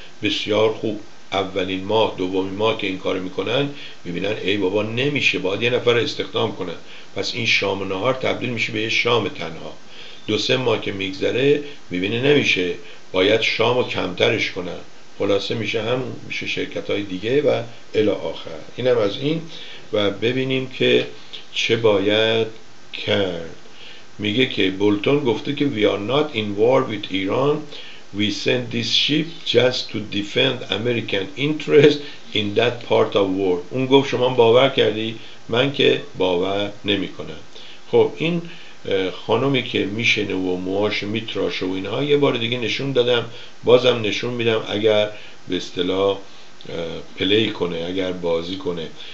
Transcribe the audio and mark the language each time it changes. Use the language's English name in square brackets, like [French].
[Persian] بسیار خوب، اولین ماه دومین ماه که این کار میکنن میبینن ای بابا نمیشه، باید یه نفر استخدام کنن، پس این شام و نهار تبدیل میشه به یه شام تنها. 2-3 ماه که میگذره میبینه نمیشه، باید شام رو کمترش کنن. خلاصه میشه هم میشه شرکت های دیگه و الی آخر. اینم از این و ببینیم که چه باید کرد. میگه که بولتون گفته که [English] we are not in war with Iran. We send this ship just to defend American interest in that part of world. [Persian] اون گفت شما باور کردی؟ من که باور نمی کنم. خب این خانومی که میشنه و موهاش میتراشه و اینها یه بار دیگه نشون دادم، بازم نشون میدم، اگر به اصطلاح پلی کنه، اگر بازی کنه.